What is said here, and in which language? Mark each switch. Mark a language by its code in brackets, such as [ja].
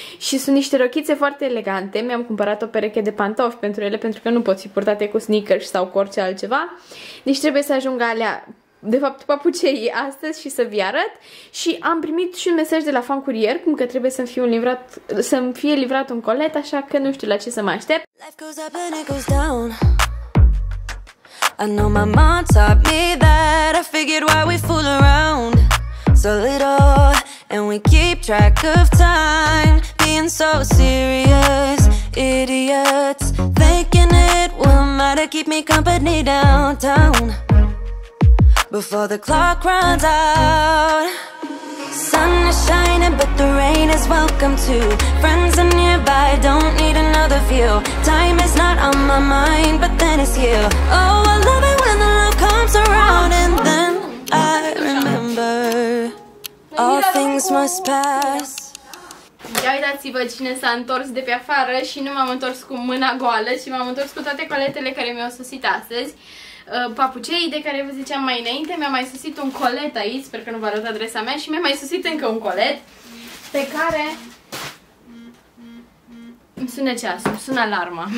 [ro] Și sunt niște rochițe foarte elegante, mi-am cumpărat o pereche de pantofi pentru ele pentru că nu pot fi purtate cu sneakers sau cu orice altceva. Deci trebuie să ajung alea, de fapt, papucei astăzi și să vi arăt. Și am primit și un mesaj de la Fan Curier, cum că trebuie să-mi fie livrat un colet, așa că nu știu la ce să mă aștept. [en] Life goes up and it goes down. I know my mom taught me that. I figured why we fool around so little and we keep track of time, being so serious idiots, thinking it will matter, keep me company downtown before the clock runs out. Sun is shining, but the rain is welcome too. Friends are nearby, don't need another view. Time is not on my mind, but then it's you. Oh, I love it when the love comes around. And then I remember all things must pass. [ro] Ia uitați-vă cine s-a întors de pe afară și nu m-am întors cu mâna goală, ci m-am întors cu toate coletele care mi-au sosit astăzi. Papucei de care vă ziceam mai înainte, mi-a mai sosit un colet aici, sper că nu v-a arătat adresa mea, și mi-a mai sosit încă un colet pe care îmi sună ceasul, îmi sună alarma.